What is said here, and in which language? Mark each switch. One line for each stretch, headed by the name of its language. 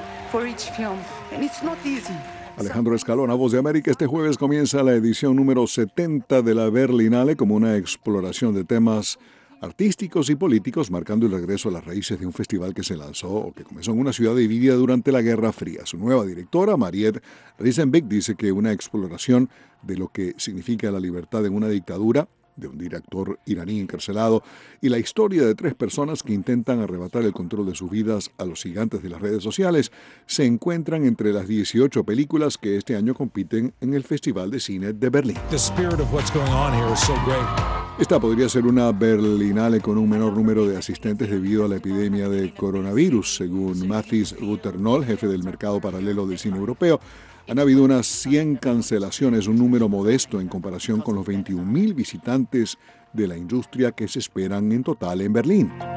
English: for each film, and it's not easy.
Spanish: Alejandro Escalona, Voz de América. Este jueves comienza la edición número 70 de la Berlinale como una exploración de temas artísticos y políticos, marcando el regreso a las raíces de un festival que se lanzó o que comenzó en una ciudad dividida durante la Guerra Fría. Su nueva directora, Mariette Riesenbeek, dice que una exploración de lo que significa la libertad en una dictadura, de un director iraní encarcelado, y la historia de tres personas que intentan arrebatar el control de sus vidas a los gigantes de las redes sociales, se encuentran entre las 18 películas que este año compiten en el Festival de Cine de Berlín.
English: The spirit of what's going on here is so great.
Spanish: Esta podría ser una Berlinale con un menor número de asistentes debido a la epidemia de coronavirus. Según Mathis Guternol, jefe del mercado paralelo del cine europeo, han habido unas 100 cancelaciones, un número modesto en comparación con los 21.000 visitantes de la industria que se esperan en total en Berlín.